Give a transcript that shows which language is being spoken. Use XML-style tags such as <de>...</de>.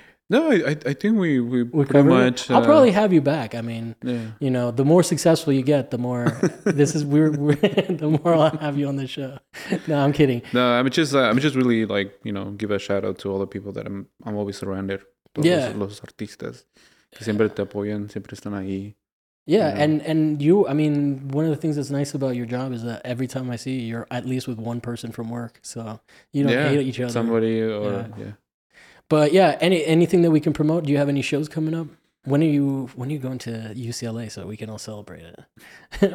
<en>No, I think we pretty much. I'll probably have you back. I mean, you know, the more successful you get, the more the more I'll have you on the show. No, I'm kidding. No, I'm just really like, you know, give a shout out to all the people that I'm always surrounded. Yeah.</en> <es>Los artistas que siempre te apoyan, siempre están ahí.</es> <en>Yeah, you know? and you, I mean, one of the things that's nice about your job is that every time I see you, you're at least with one person from work, so you don't hate each other. Somebody or yeah. But yeah, anything that we can promote? Do you have any shows coming up? When are you going to UCLA so we can all celebrate it?</en>